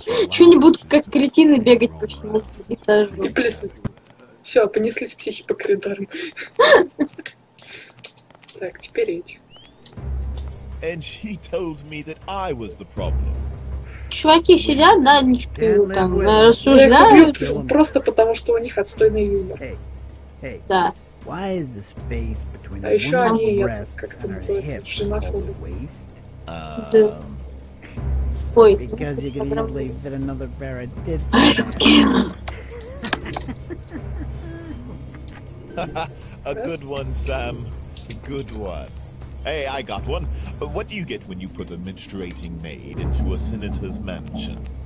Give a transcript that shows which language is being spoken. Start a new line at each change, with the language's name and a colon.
Russian: Что-нибудь как кретины бегать по всему этажу. И плясать. Все, понеслись психи по коридорам. Так, теперь эти.
English: And she told me that I was the problem.
Russian: Чуваки сидят, да, там, рассуждают. Просто потому, что у них отстойный юмор. Да. А еще они, это, как это называется, женофобы. Да. Ой.
English: Because you're gonna believe that another bearer did this. I don't care. A good one, Sam. A good one. Hey, I got one. What do you get when you put a menstruating maid into a senator's mansion?